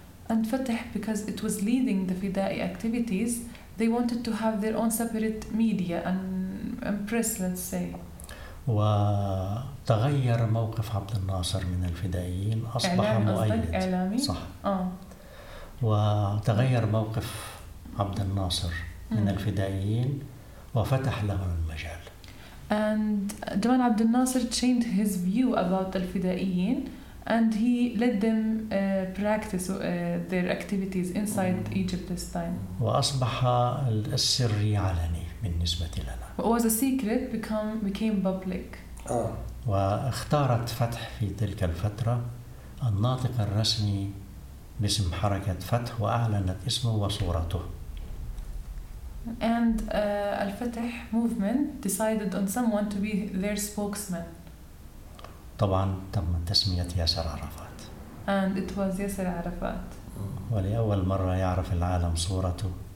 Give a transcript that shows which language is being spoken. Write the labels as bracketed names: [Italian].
[English] And فتح because it was leading the fidai activities, they wanted to have their own separate media and press, let's say. [Arabic] وتغير موقف عبد الناصر من الفدائيين أصبح إعلام مؤيد إعلامي؟ صح وتغير موقف عبد الناصر من الفدائيين وفتح لهم المجال. [English] And جمال عبد الناصر changed his view about the الفدائيين and he let them practice their activities inside Egypt this time. [Arabic] وأصبح السري علني بالنسبة لنا. [English] What was a secret became public. [Arabic] واختارت فتح في تلك الفترة الناطق الرسمي باسم حركة فتح وأعلنت اسمه وصورته. [English] And الفتح movement decided on someone to be their spokesman. [Arabic] طبعا تم تسمية ياسر عرفات. [English] And it was ياسر عرفات. [Arabic] ولأول مرة يعرف العالم صورته.